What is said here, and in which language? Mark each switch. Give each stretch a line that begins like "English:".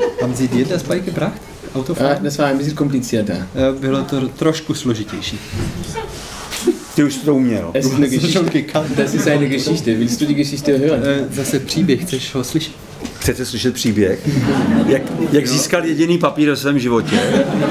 German: Haben Sie dir das beigebracht? Autofahren? Das war ein bisschen komplizierter.
Czech: Bylo to trošku složitější. Ty už jsi to uměl.
German: Das ist eine Geschichte. Willst du die Geschichte hören?
Czech: Zase příběh, chceš ho slyšet? Chcete slyšet příběh? Jak získal jediný papír v svém životě?